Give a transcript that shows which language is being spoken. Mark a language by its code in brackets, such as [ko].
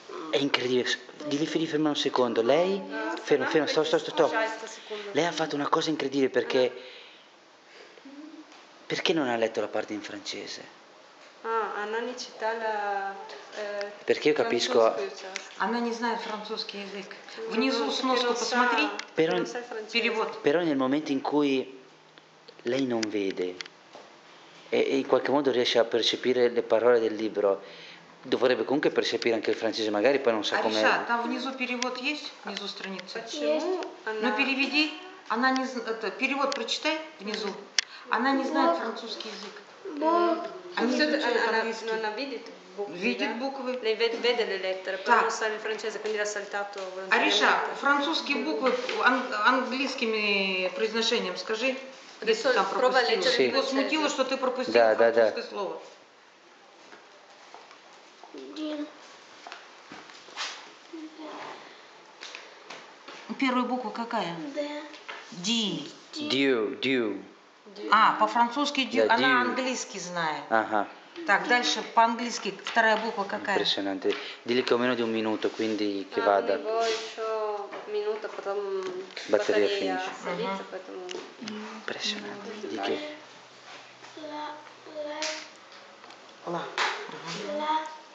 [it] È incredibile, devi fermare un secondo. Lei, stop. Lei ha fatto una cosa incredibile, perché non ha letto la parte in francese? Ah, non ha citato la. Perché io capisco. [ru] Она не знает французский язык. Внизу сноску посмотри. [it] Però nel momento in cui lei non vede e in qualche modo riesce a percepire le parole del libro, dovrebbe comunque percepire anche il francese, magari poi non sa come. [ru] Ariша, там внизу перевод есть? Внизу страница. Почему? Ну переведи. Она не знает. Перевод прочитай внизу. Она не знает французский язык. Она видит буквы. Видит буквы. [it] Lei vede le lettere, però non sa il francese, quindi l'ha saltato. [ru] Ариша, французские буквы английским произношением скажи. Прова лечь. Его смутило, что ты пропустил французское слово. Первая буква какая? Д. Дю. А, по-французски дю, yeah, она английский знает. Ага. Так, дальше по-английски вторая буква какая? [it] Impressionante. Dile che ho meno di un minuto, quindi che vada. [ru] Не больше минута, потом батарея садится, поэтому... [it] Impressionante. Dile che... La. La.